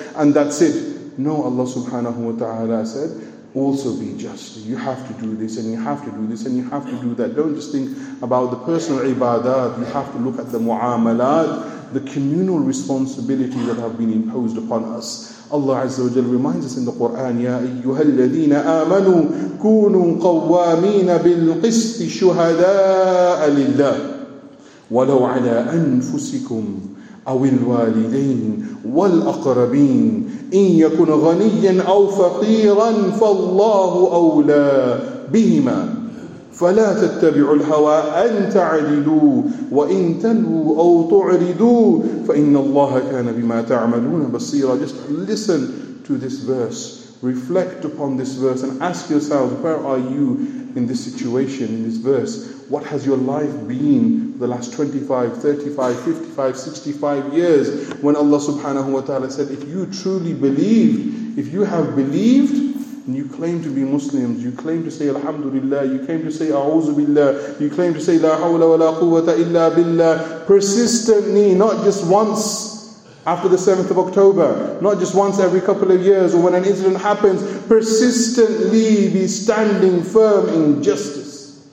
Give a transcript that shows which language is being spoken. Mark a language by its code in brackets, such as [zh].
[en] And that's it. No, Allah subhanahu wa ta'ala said, also be just. You have to do this and you have to do this and you have to do that. Don't just think about the personal ibadat. You have to look at the mu'amalat, the communal responsibilities that have been imposed upon us. Allah Azza wa Jal reminds us in the Quran, [ar] يَا أَيُّهَا الَّذِينَ آمَنُوا كُونُوا قَوَّامِينَ بِالْقِسْطِ شُهَدَاءَ لِلَّهِ وَلَوْ عَلَىٰ أَنفُسِكُمْ أَوِ الْوَالِدَيْنِ وَالْأَقْرَبِينَ إِنْ يَكُنْ غَنِيًّا أَوْ فَقِيرًا فَاللَّهُ أَوْلَىٰ بِهِمَا فَلَا تَتَّبِعُوا الْهَوَىٰ أَن تَعْدِلُوا وَإِن تَلُوا أَوْ تُعْرِضُوا فَإِنَّ اللَّهَ كَانَ بِمَا تَعْمَلُونَ بَصِيرًا. [en] Just listen to this verse. Reflect upon this verse and ask yourselves, where are you in this situation, in this verse? What has your life been the last 25, 35, 55, 65 years when Allah subhanahu wa ta'ala said, if you truly believe, if you have believed, and you claim to be Muslims, you claim to say Alhamdulillah, you claim to say A'uzu Billah, you claim to say La hawla wa la quwwata illa billah, persistently, not just once after the 7th of October, not just once every couple of years or when an incident happens, persistently be standing firm in justice.